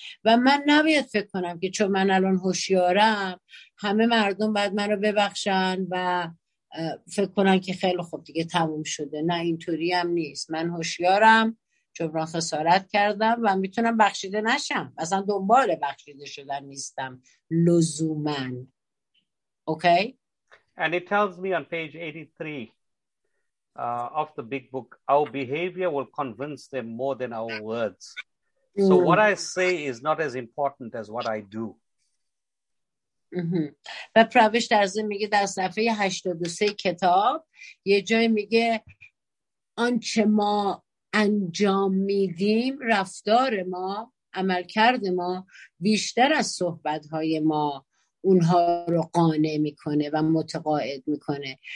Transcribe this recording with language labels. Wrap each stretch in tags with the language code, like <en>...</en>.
<fa>و من نباید فکر کنم که چون من الان هوشیارم همه مردم باید من رو ببخشن و فکر کنن که خیلی خوب دیگه تموم شده. نه، اینطوری هم نیست. من هوشیارم جبران خسارت کردم و میتونم بخشیده نشم، اصلا دنبال بخشیده شدن نیستم لزوماً. اوکی؟</fa> <en>And it tells me on page 83 of the big book, our behavior will convince them more than our words. So what I say is not as important as what I do.</en> <fa>و پروش درزه میگه در صفحه 83 کتاب یه جای میگه آنچه ما انجام میدیم، رفتار ما، عمل کرد ما بیشتر از صحبتهای ما اونها رو قانع میکنه و متقاعد میکنه.</fa>